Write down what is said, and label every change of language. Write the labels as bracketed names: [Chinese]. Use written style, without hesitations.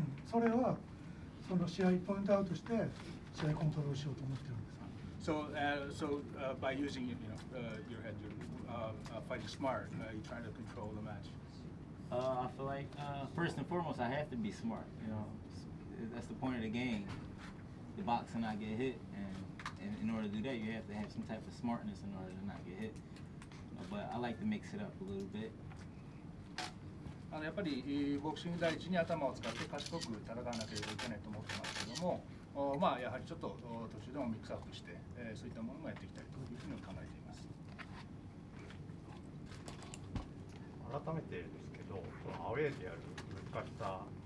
[Japanese] それはその試合ポイントアウトして試合コントロールしようと思ってる。 [English] So, by using your head, you're fighting smart, you're trying to control the match. I feel like, first and foremost, I have to be smart. That's the point of the game. The box and not get hit. And in order to do that, you have to have some type of smartness in order to not get hit. But I like to mix it up a little bit. [Japanese] やっぱりボクシング第一に頭を使って賢く戦わなければいけないと思ってますけども、まあ、やはりちょっと途中でもミックスアップして、そういったものもやっていきたいというふうに考えています。改めてですけど、アウェーでやる難しさ、